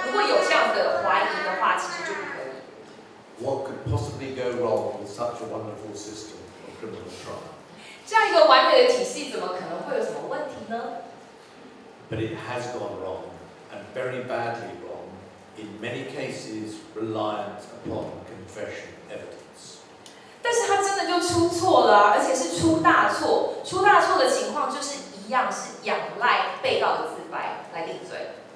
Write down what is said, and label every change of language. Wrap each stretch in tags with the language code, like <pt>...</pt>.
<zh>如果有这样的怀疑的话，其实就不可以。</zh> <en>What could possibly go wrong with such a wonderful system of criminal trial?</en> <zh>这样一个完美的体系怎么可能会有什么问题呢？</zh> <en>But it has gone wrong, and very badly wrong, in many cases reliant upon confession evidence.</en> <zh>但是它真的就出错了、啊、而且是出大错。出大错的情况就是一样是仰赖被告的自白来定罪。</zh>